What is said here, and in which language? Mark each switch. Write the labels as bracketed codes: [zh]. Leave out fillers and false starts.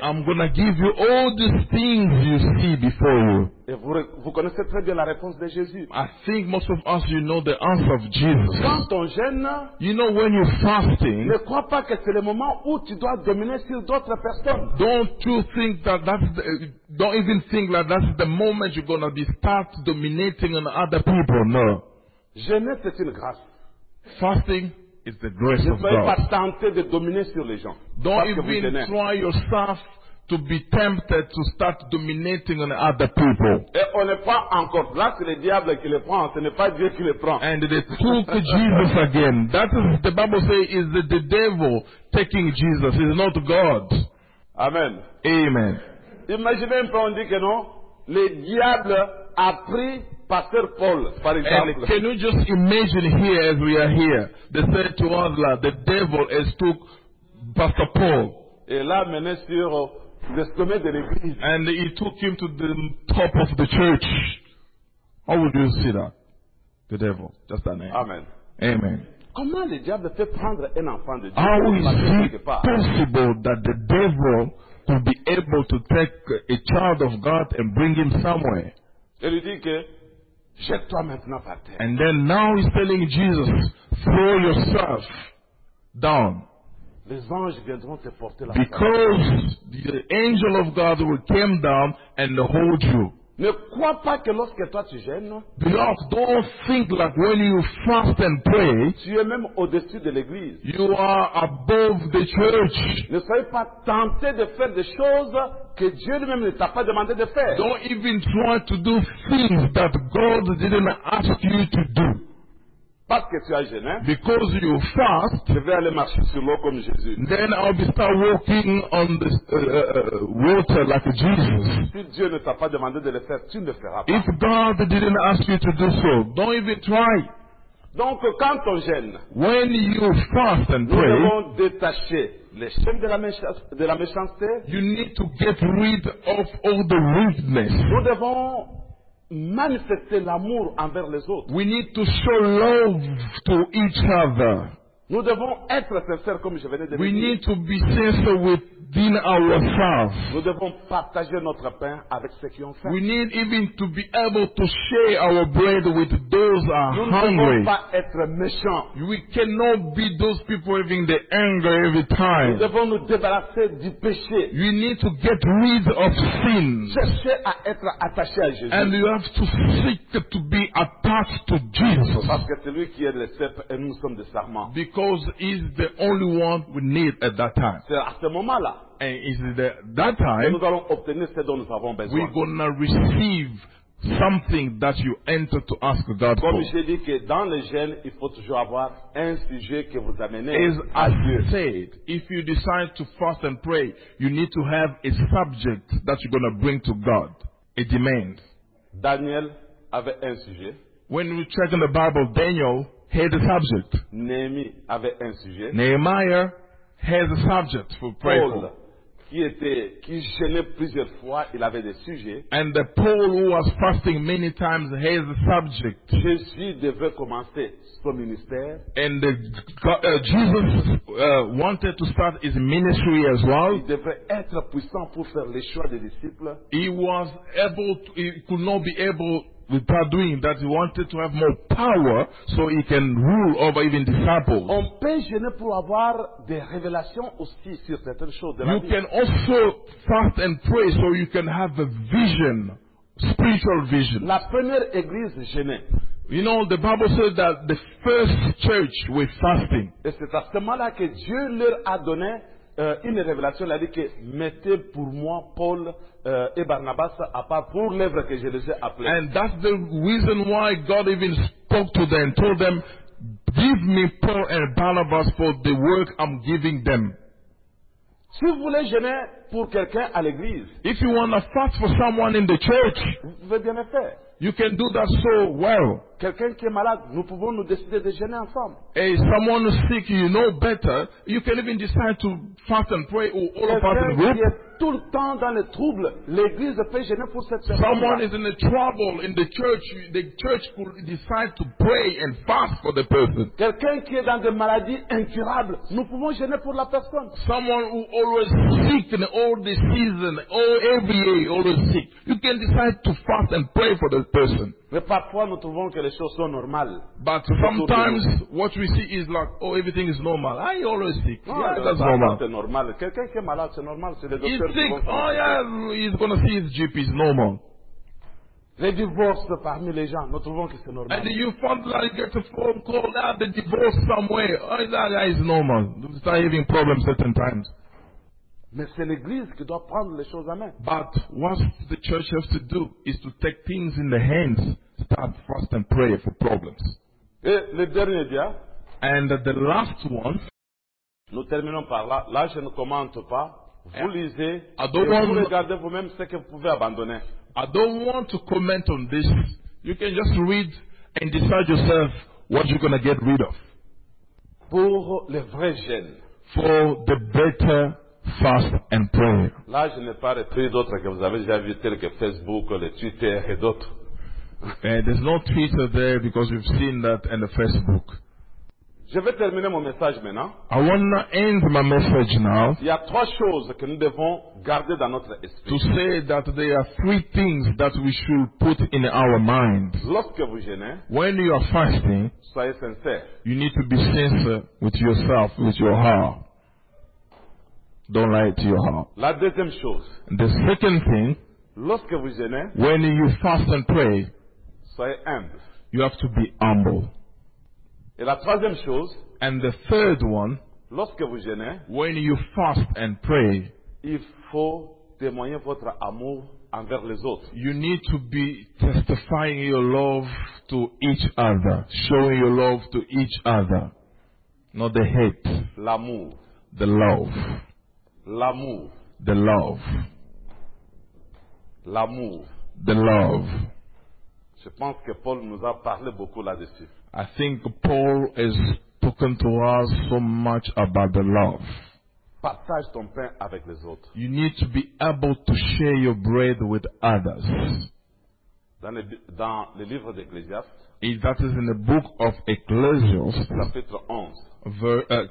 [en] I'm gonna give you all these things you see before you. [fr] Et vous connaissez très bien la réponse de Jésus. [en] I think most of us you know the answer of Jesus. [fr] Quand on jeûne, [en] you know when you're fasting, [fr] ne crois pas que c'est le moment où tu dois dominer sur d'autres personnes. [en] Don't even think that that's the moment you're gonna be start dominating on other people. No. [fr] Jeûner, c'est une grâce. [en] Fasting is the grace of God. [fr] Ne soyez pas tenté de dominer sur les gens. [en] Don't even try yourself to be tempted to start dominating on other people. [fr] Et on n'est pas encore. Là, c'est le diable qui le prend. Ce n'est pas Dieu qui le prend. [en] And they took Jesus again. That is the Bible says is the devil taking Jesus. It's not God. Amen. Amen. [fr] Imaginez un peu, on dit que non. Le diable a pris Pasteur Paul, par exemple. [en] Can you just imagine here as we are here? They said to us that the devil has took Pasteur Paul. [fr] Et l'a amené sur le sommet de l'église. [en] And he took him to the top of the church. How would you see that? The devil, just that name. Amen. Amen. [fr] Comment le diable peut prendre un enfant de Dieu? [en] How is it possible that the devil could be able to take a child of God and bring him somewhere? [fr] Et lui dit que jette-toi maintenant par terre. [en] And then now he's telling Jesus, throw yourself down. [fr] Les anges viendront te porter la [en] Because [fr] terre. [en] The angel of God will come down and hold you. [fr] Ne crois pas que lorsque toi tu jeûnes, [en] Beloved, don't think like when you fast and pray, [fr] tu es même au-dessus de l'église. [en] You are above the church. [fr] Ne sois pas tenté de faire des choses que Dieu lui-même ne t'a pas demandé de faire. [en] Don't even try to do things that God didn't ask you to do. [fr] Parce que tu as jeûné. [en] Because you fast. [fr] Je vais aller marcher sur l'eau comme Jésus. [en] Then I'll be start walking on the water like Jesus. [fr] Si Dieu ne t'a pas demandé de le faire, tu ne le feras pas. [en] If God didn't ask you to do so, don't even try. [fr] Donc quand on jeûne, [en] when you fast and pray, [fr] nous devons détacher les chaînes de la méchanceté. [en] You need to get rid of all the rudeness. [fr] Nous devons manifester l'amour envers les autres. [en] We need to show love to each other. [fr] Nous devons être sincères comme je venais de le dire. [en] We need to be sincere within ourselves. [fr] Nous devons partager notre pain avec ceux qui ont faim. [en] We need even to be able to share our bread with those who are [fr] nous [en] hungry. [fr] Nous ne devons pas être méchants. [en] We cannot be those people having the anger every time. [fr] Nous devons nous débarrasser du péché. [en] We need to get rid of sin. [fr] Chercher à être attaché à Jésus. [en] And you have to seek to be attached to Jesus. [fr] Parce que c'est lui qui est le cèpe et nous sommes des sarments. [en] Because he's the only one we need at that time. C'est à ce moment-là. And it's the, that time. [fr] Nous allons obtenir ce dont nous avons besoin. [en] We're going to receive something that you enter to ask God [fr] comme Comme je dis que dans le jeûne, il faut toujours avoir un sujet que vous amenez. [en] As I said, if you decide to fast and pray, you need to have a subject that you're going to bring to God. A demand. [fr] Daniel avait un sujet. [en] When we check in the Bible, Daniel had a subject. [fr] Nehemiah avait un sujet. [en] Nehemiah had a subject for prayer. [fr] Paul, qui jeûnait plusieurs fois, il avait des sujets. [en] And the Paul who was fasting many times had a subject. [fr] Jésus devait commencer son ministère. [en] And Jesus wanted to start his ministry as well. [fr] Il devait être puissant pour faire les choix des disciples. [en] He could not be able. Without doing that, he wanted to have more power so he can rule over even disciples. [fr] On peut jeûner pour avoir des révélations aussi sur certaines choses de la vie. [en] You can also fast and pray so you can have a vision, spiritual vision. [fr] La première église jeûnait. [en] You know, the Bible says that the first church was fasting. [fr] Et c'est à ce moment-là que Dieu leur a donné une révélation. Il a dit que mettez pour moi Paul et Barnabas à part pour l'œuvre que je les ai appelés. [en] And that's the reason why God even spoke to them, told them, give me Paul and Barnabas for the work I'm giving them. [fr] Si vous voulez jeûner pour quelqu'un à l'église, [en] if you want to fast for someone in the church, [fr] vous pouvez bien le faire. [en] You can do that so well. [fr] Quelqu'un qui est malade, nous pouvons nous décider de jeûner ensemble. [en] Hey, someone who's sick, you know better. You can even decide to fast and pray or all apart in group. [fr] Quelqu'un qui est tout le temps dans les troubles, l'église peut jeûner pour cette personne. [en] Someone is in the trouble in the church could decide to pray and fast for the person. [fr] Quelqu'un qui est dans des maladies incurables, nous pouvons jeûner pour la personne. [en] Someone who always sick in all the season, all every year always sick. You can decide to fast and pray for that person. [fr] Mais parfois nous trouvons que les choses sont normales. [en] But sometimes what we see is like, oh, everything is normal. I always sick. Oh, yeah, that's normal. [fr] C'est normal. Quelqu'un qui est malade, c'est normal. C'est le docteur. [en] He's sick. Oh yeah, he's gonna see his GP. It's normal. [fr] Les divorces parmi les gens, nous trouvons que c'est normal. [en] And you find like get a phone call that the divorce somewhere. Oh, that is normal. You start having problems certain times. [fr] Mais c'est l'église qui doit prendre les choses en main. [en] But what the church has to do is to take things in the hands, start fast and pray for problems. [fr] Et le dernier dia. [en] And the last one. [fr] Nous terminons par là. Là, je ne commente pas. Vous lisez et vous regardez vous-même ce que vous pouvez abandonner. [en] I don't want to comment on this. You can just read and decide yourself what you're going to get rid of. [fr] Pour les vrais jeunes. [en] For the better fast and pray. [fr] Là, je n'ai pas repris d'autres que vous avez déjà vu, tels que Facebook, le Twitter et d'autres. [en] And there's no Twitter there because we've seen that and the Facebook. [fr] Je vais terminer mon message maintenant. [en] I want to end my message now. [fr] Il y a trois choses que nous devons garder dans notre esprit. [en] To say that there are three things that we should put in our mind. [fr] Lorsque vous jeûnez, [en] when you are fasting, [fr] soyez sincère. [en] You need to be sincere with yourself, with your heart. Don't lie to your heart. [fr] La deuxième chose. [en] The second thing. [fr] Lorsque vous jeûnez, [en] when you fast and pray, [fr] soyez humble. [en] You have to be humble. [fr] Et la troisième chose. [en] And the third one. [fr] Lorsque vous jeûnez, [en] when you fast and pray, [fr] il faut témoigner votre amour envers les autres. [en] You need to be testifying your love to each other, showing your love to each other, not the hate. [fr] L'amour. [en] The love. [fr] L'amour. [en] The love. [fr] L'amour. [en] The love. [fr] Je pense que Paul nous a parlé beaucoup là-dessus. [en] I think Paul has spoken to us so much about the love. [fr] Partage ton pain avec les autres. [en] You need to be able to share your bread with others. [fr] Dans le livre d'Ecclésiaste, [en] if that is in the book of Ecclesiastes,